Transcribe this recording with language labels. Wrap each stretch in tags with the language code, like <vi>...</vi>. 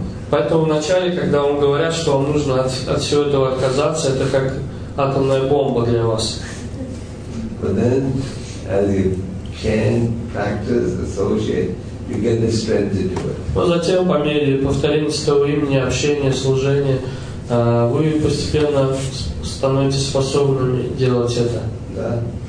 <ru>Поэтому вначале, когда вам говорят, что вам нужно от всего этого отказаться, это как атомная бомба для вас.</ru> <en>But then, as you can practice, associate, you get the strength to do it.</en> <ru>Но затем, по мере повторения своего имени, общения, служения, вы постепенно становитесь способными делать это.</ru>